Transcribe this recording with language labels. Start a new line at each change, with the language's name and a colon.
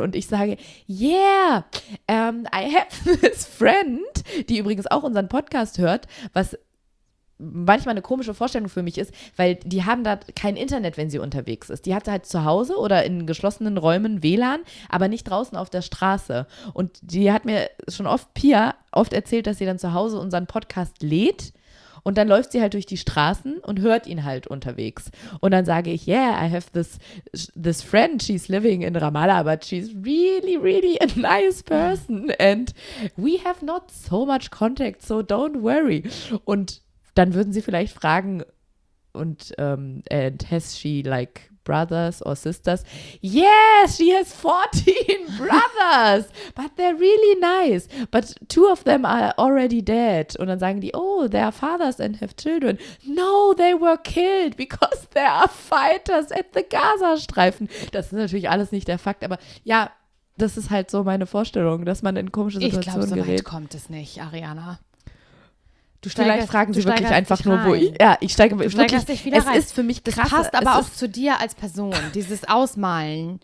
German: Und ich sage,
English: yeah, I have this friend,
German: die übrigens auch unseren Podcast hört, was manchmal eine komische Vorstellung für mich ist, weil die haben da kein Internet, wenn sie unterwegs ist. Die hat halt zu Hause oder in geschlossenen Räumen WLAN, aber nicht draußen auf der Straße. Und die hat mir schon oft, Pia, oft erzählt, dass sie dann zu Hause unseren Podcast lädt. Und dann läuft sie halt durch die Straßen und hört ihn halt unterwegs. Und dann sage ich,
English: yeah, I have this friend, she's living in Ramallah, but she's really, really a nice person. And we have not so much contact, so don't worry.
German: Und dann würden sie vielleicht fragen, und
English: and has she like brothers or sisters? Yes, she has 14 brothers, but they're really nice. But 2 of them are already dead.
German: Und dann sagen die,
English: oh, they are fathers and have children. No, they were killed because they are fighters at the Gazastreifen.
German: Das ist natürlich alles nicht der Fakt, aber ja, das ist halt so meine Vorstellung, dass man in komische Situationen gerät. Ich glaube, so weit kommt es nicht, Ariana. Du steigerst, vielleicht fragen sie wirklich einfach nur, wo ich... Ja, ich steige du wirklich... Dich wieder es rein. Ist für mich krass. Das passt aber auch zu dir als Person, dieses Ausmalen.